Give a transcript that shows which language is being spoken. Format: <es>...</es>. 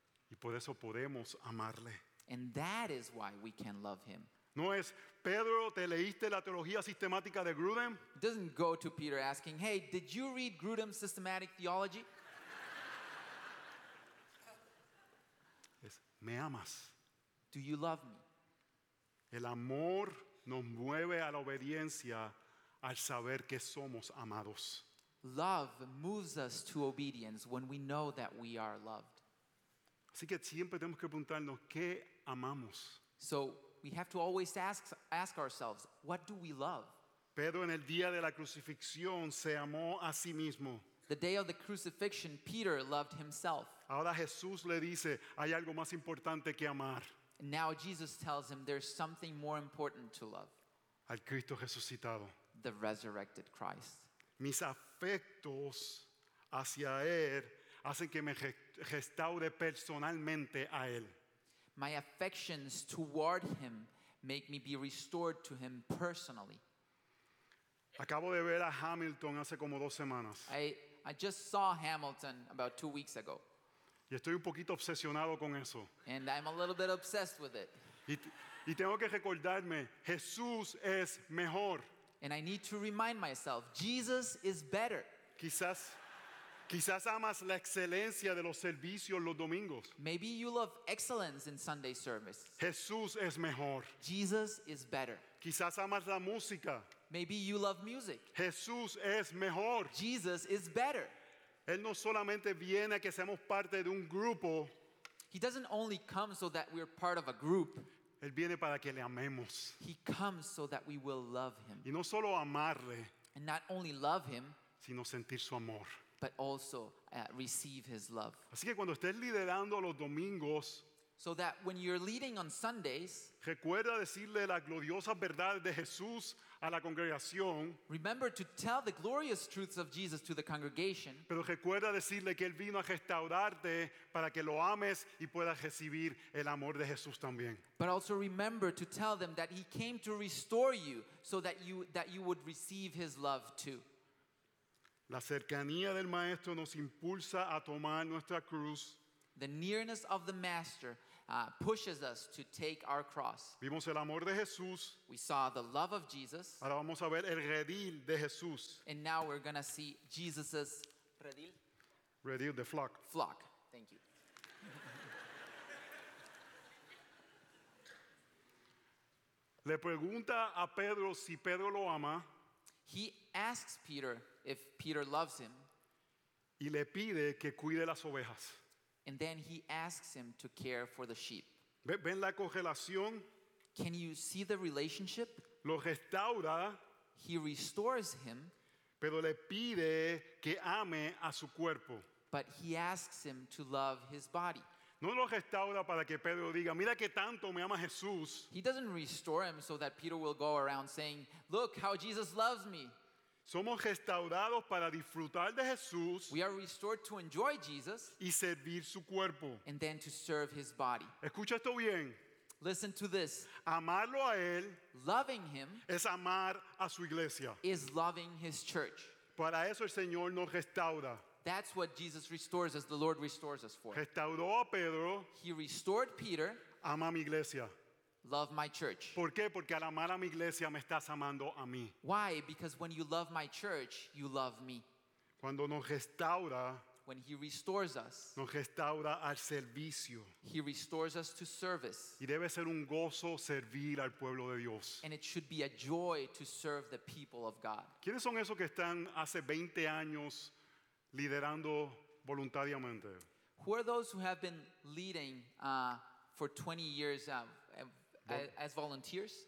<es>Y por eso podemos amarle.</es> <en>And that is why we can love him.</en> <es>No es, Pedro, ¿te leíste la teología sistemática de Grudem?</es> <en>It doesn't go to Peter asking, hey, did you read Grudem's systematic theology?</en> <es>Es, ¿me amas?</es> <en>Do you love me?</en> <es>El amor nos mueve a la obediencia al saber que somos amados.</es> <en>Love moves us to obedience when we know that we are loved.</en> <es>Así que siempre tenemos que preguntarnos, ¿qué amamos?</es> <en>So we have to always ask ourselves, what do we love?</en> <es>Pedro en el día de la crucifixión se amó a sí mismo.</es> <en>The day of the crucifixion, Peter loved himself.</en> <es>Ahora Jesús le dice, hay algo más importante que amar.</es> <en>Now Jesus tells him there's something more important to love.</en> <es>Al Cristo resucitado.</es> <en>The resurrected Christ.</en> <es>Mis afectos hacia él hacen que me restaure personalmente a él.</es> <en>My affections toward him make me be restored to him personally.</en> <es>Acabo de ver a Hamilton hace como dos semanas.</es> <en>I just saw Hamilton about 2 weeks ago.</en> <es>Y estoy un poquito obsesionado con eso.</es> <en>And I'm a little bit obsessed with it.</en> <es>Y tengo que recordarme, Jesús es mejor.</es> <en>And I need to remind myself, Jesus is better.</en> <es>Quizás amas la excelencia de los servicios los domingos.</es> <en>Maybe you love excellence in Sunday service.</en> <es>Jesús es mejor.</es> <en>Jesus is better.</en> <es>Quizás amas la música.</es> <en>Maybe you love music.</en> <es>Jesús es mejor.</es> <en>Jesus is better.</en> <es>Él no solamente viene a que seamos parte de un grupo.</es> <en>He doesn't only come so that we're part of a group.</en> <es>Él viene para que le amemos.</es> <en>He comes so that we will love him.</en> <es>Y no solo amarle.</es> <en>And not only love him.</en> <es>Sino sentir su amor.</es> <en>But also receive his love.</en> <es>Así que cuando estés liderando los domingos.</es> <en>So that when you're leading on Sundays.</en> <es>Recuerda decirle las gloriosas verdades de Jesús a la congregación.</es> <en>Remember to tell the glorious truths of Jesus to the congregation.</en> <es>Pero recuerda decirle que él vino a restaurarte para que lo ames y puedas recibir el amor de Jesús también.</es> <en>But also remember to tell them that he came to restore you so that you would receive his love too.</en> <es>La cercanía del maestro nos impulsa a tomar nuestra cruz.</es> <en>The nearness of the master pushes us to take our cross.</en> <es>Vimos el amor de Jesús.</es> <en>We saw the love of Jesus.</en> <es>Ahora vamos a ver el redil de Jesús.</es> <en>And now we're going to see Jesus's redil.</en> <es>Redil de flock.</es> <en>Flock. Thank you.</en> <es>Le pregunta a Pedro si Pedro lo ama.</es> <en>He asks Peter if Peter loves him.</en> <es>Y le pide que cuide las ovejas.</es> <en>And then he asks him to care for the sheep.</en> <es>¿Ven la correlación?</es> <en>Can you see the relationship?</en> <es>Lo restaura.</es> <en>He restores him.</en> <es>Pero le pide que ame a su cuerpo.</es> <en>But he asks him to love his body.</en> <es>No lo restaura para que Pedro diga, mira que tanto me ama Jesús.</es> <en>He doesn't restore him so that Peter will go around saying, look how Jesus loves me.</en> <es>Somos restaurados para disfrutar de Jesús.</es> <en>We are restored to enjoy Jesus.</en> <es>Y servir su cuerpo.</es> <en>And then to serve his body.</en> <es>Escucha esto bien.</es> <en>Listen to this.</en> <es>Amarlo a él.</es> <en>Loving him.</en> <es>Es amar a su iglesia.</es> <en>Is loving his church.</en> <es>Para eso el Señor nos restaura.</es> <en>That's what Jesus restores us, the Lord restores us for.</en> <es>Restauró a Pedro.</es> <en>He restored Peter.</en> <es>Ama a mi iglesia.</es> <en>Love my church.</en> <es>¿Por qué? Porque al amar a mi iglesia me estás amando a mí.</es> <en>Why? Because when you love my church, you love me.</en> <es>Cuando nos restaura,</es> <en>when he restores us,</en> <es>nos restaura al servicio.</es> <en>He restores us to service.</en> <es>Y debe ser un gozo servir al pueblo de Dios.</es> <en>And it should be a joy to serve the people of God.</en> <es>¿Quiénes son esos que están hace 20 años liderando voluntariamente?</es> <en>Who are those who have been leading for 20 years as volunteers?</en>